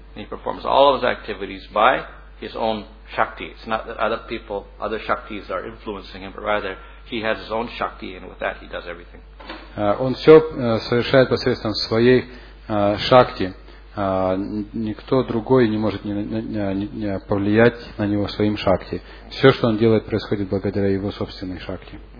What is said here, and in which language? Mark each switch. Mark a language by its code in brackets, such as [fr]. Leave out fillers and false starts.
[en] He performs all of his activities by his own shakti. It's not that other people, other shaktis are influencing him, but rather he has his own shakti, and with that he does everything. [ru] Он все совершает посредством своей шакти. Никто другой не может не повлиять на него своим шакти. Все, что он делает, происходит благодаря его собственной шакти.